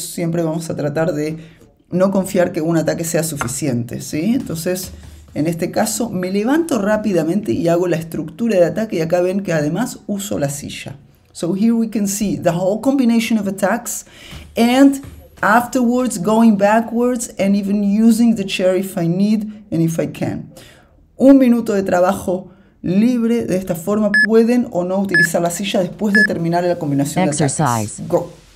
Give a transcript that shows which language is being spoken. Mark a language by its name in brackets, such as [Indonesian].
[Spanish] Siempre vamos a tratar de no confiar que un ataque sea suficiente, ¿sí? Entonces, en este caso, me levanto rápidamente y hago la estructura de ataque. Y acá ven que además uso la silla. [English] So here we can see the whole combination of attacks and afterwards going backwards and even using the chair if I need and if I can. [Spanish] Un minuto de trabajo libre. De esta forma pueden o no utilizar la silla después de terminar la combinación de ataques. [English] Exercise. Go.